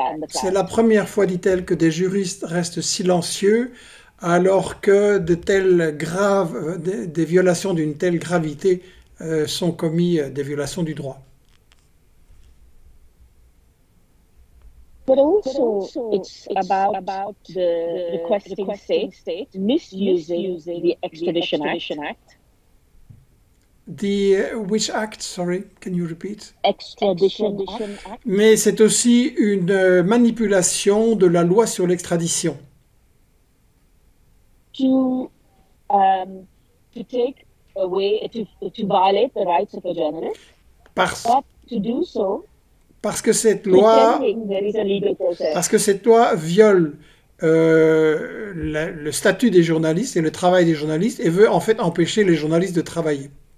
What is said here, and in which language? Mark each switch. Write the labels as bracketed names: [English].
[French] C'est la première fois, dit-elle, que des juristes restent silencieux alors que des violations d'une telle gravité sont commises, des violations du droit. [English] But also, it's about the requesting state misusing the Extradition Act. The which act? Sorry, can you repeat? Extradition Act. [French] Mais c'est aussi une manipulation de la loi sur l'extradition. [English] To take away to violate the rights of a journalist. [French] Parce que cette loi viole le statut des journalistes et le travail des journalistes et veut en fait empêcher les journalistes de travailler.